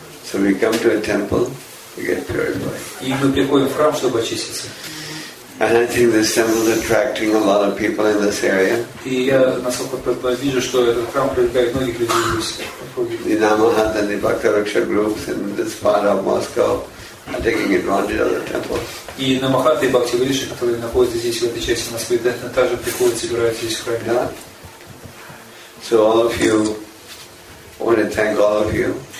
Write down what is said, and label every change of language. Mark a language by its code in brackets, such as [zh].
[en] So we come to a temple to get purified. [ru] И мы приходим в храм, чтобы очиститься. [en] And I think this temple is attracting a lot of people in this area. [ru] И я насколько вижу, что этот храм привлекает многих людей здесь. [en] The Namahant and the Bhaktaraksha groups in this part of Moscow are taking advantage of the temple. [ru] И Намахат и Бхакти Вриши, которые находятся здесь, в этой части Москвы, да, также приходят, собираются здесь в храме. [en] Yeah. So all of you, I want to thank all of you.